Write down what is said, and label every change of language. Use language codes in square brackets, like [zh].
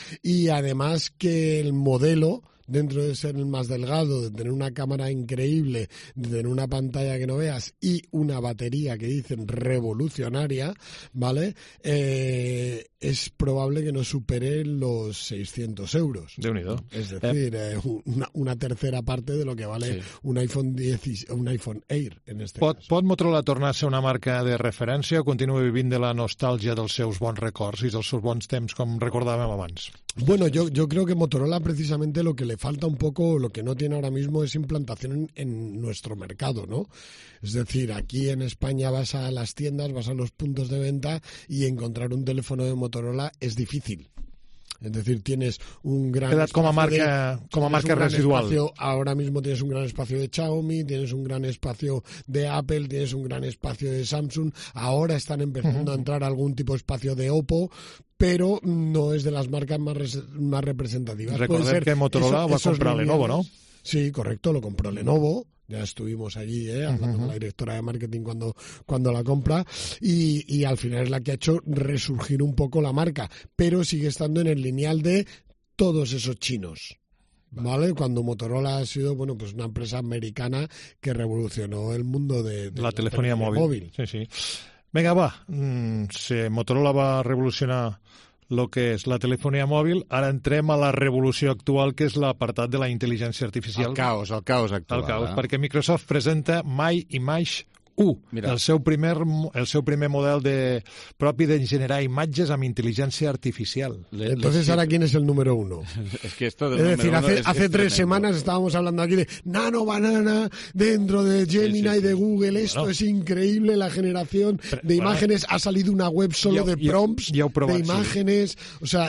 [es] Y además que el modelo... dentro de ser el más delgado, de tener una cámara increíble, de tener una pantalla que no veas y una batería que dicen revolucionaria, ¿vale? Es probable que no supere los 600 euros. De unido. Es decir, una tercera parte de lo que vale un iPhone Air en este caso. [ca] ¿Pot Motorola tornar-se una marca de referència o continua vivint de la nostàlgia dels seus bons records i dels seus bons temps, com recordàvem abans? [es] Bueno, yo creo que Motorola precisamente lo que le falta un poco, lo que no tiene ahora mismo es implantación en nuestro mercado, ¿no? Es decir, aquí en España vas a las tiendas, vas a los puntos de venta y encontrar un teléfono de Motorola es difícil. Es decir, tienes un gran espacio como marca, residual. Espacio, ahora mismo tienes un gran espacio de Xiaomi, tienes un gran espacio de Apple, tienes un gran espacio de Samsung. Ahora están empezando a entrar algún tipo de espacio de Oppo, pero no es de las marcas más representativas. Recordar que Motorola va a comprar Lenovo, ¿no? Sí, correcto, lo compró Lenovo. Ya estuvimos allí hablando con la directora de marketing cuando la compra y al final es la que ha hecho resurgir un poco la marca, pero sigue estando en el lineal de todos esos chinos. ¿Vale? Cuando Motorola ha sido, bueno, pues una empresa americana que revolucionó el mundo de la telefonía móvil. Sí, sí. Venga, va. [ca] Si Motorola va a revolucionar [es] lo que [ca] és la telefonia mòbil, ara entrem a la revolució actual, que és l'apartat de la intel·ligència artificial. El caos actual. El caos, perquè Microsoft presenta My Image U, el seu primer model de propi de generar imatges amb intel·ligència artificial. [es] Entonces, ¿ahora quién es el número uno? Es que esto es decir, hace 3 semanas estábamos hablando aquí de Nano Banana dentro de Gemini y de Google. Esto es increíble, la generación de imágenes. Ha salido una web solo de prompts, de imágenes. O sea,